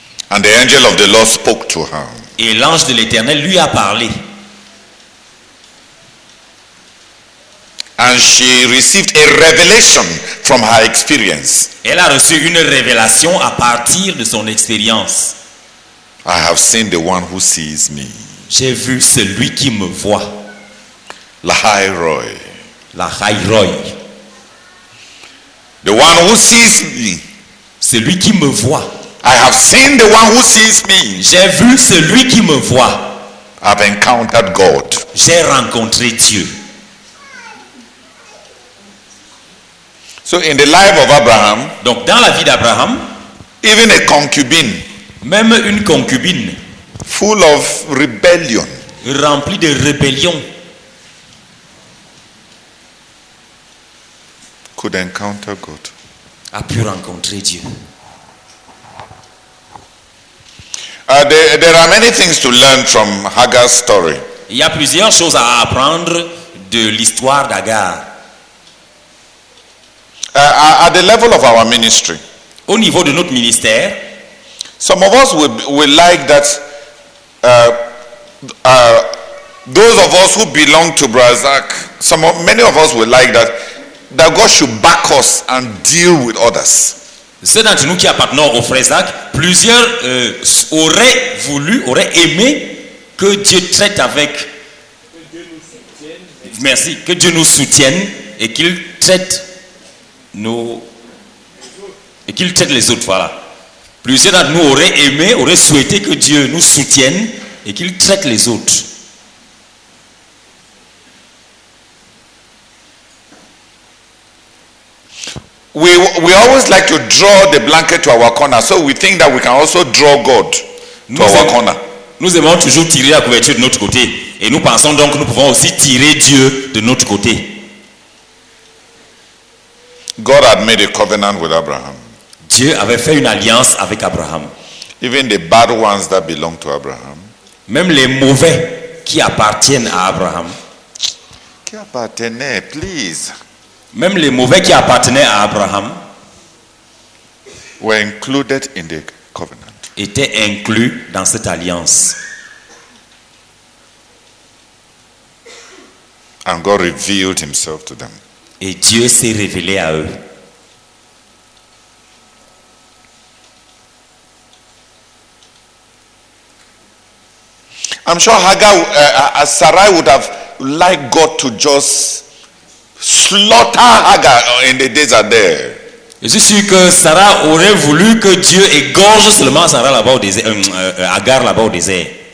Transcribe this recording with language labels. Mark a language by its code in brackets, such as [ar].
[en] And the angel of the Lord spoke to her. [fr] Et l'ange de l'Éternel lui a parlé. [en] And she received a revelation from her experience. [fr] Elle a reçu une révélation à partir de son expérience. [en] I have seen the one who sees me. [fr] J'ai vu celui qui me voit. [he] Lahai Roy. Lahai Roy. [en] The one who sees me. [fr] Celui qui me voit. [en] I have seen the one who sees me. [fr] J'ai vu celui qui me voit. [en] I've encountered God. [fr] J'ai rencontré Dieu. [en] So in the life of Abraham, [fr] donc dans la vie d'Abraham, [en] even a concubine, [fr] même une concubine, [en] full of rebellion, [fr] remplie de rébellion, [en] could encounter God, [fr] a pu rencontrer Dieu. [en] there are many things to learn from Hagar's story. [fr] Il y a plusieurs choses à apprendre de l'histoire d'Agar. [en] At the level of our ministry, [fr] au niveau de notre ministère, [en] some of us would like that those of us who belong to Brazzac, many of us would like that God should back us and deal with others. [fr] Ceux d'entre nous qui appartenons au Frézac, plusieurs auraient aimé que Dieu traite avec. Merci. Que Dieu nous soutienne et qu'il traite les autres. Voilà. Plusieurs d'entre nous auraient souhaité que Dieu nous soutienne et qu'il traite les autres. [en] We always like to draw the blanket to our corner, so we think that we can also draw God to our corner. [fr] Nous aimons toujours tirer la couverture de notre côté, et nous pensons donc que nous pouvons aussi tirer Dieu de notre côté. [en] God had made a covenant with Abraham. [fr] Dieu avait fait une alliance avec Abraham. [en] Even the bad ones that belong to Abraham. [fr] Même les mauvais qui appartiennent à Abraham. Qui appartenaient, [en] please. [fr] Même les mauvais qui appartenaient à Abraham [en] were included in the covenant. [fr] Étaient inclus dans cette alliance. [en] And God revealed himself to them. [fr] Et Dieu s'est révélé à eux. [en] I'm sure Hagar, Sarai would have liked God to just slaughter Hagar in the days are there. [fr] Je suis sûr que Sarah aurait voulu que Dieu égorge seulement Sarah là-bas au désert, Hagar là-bas au désert.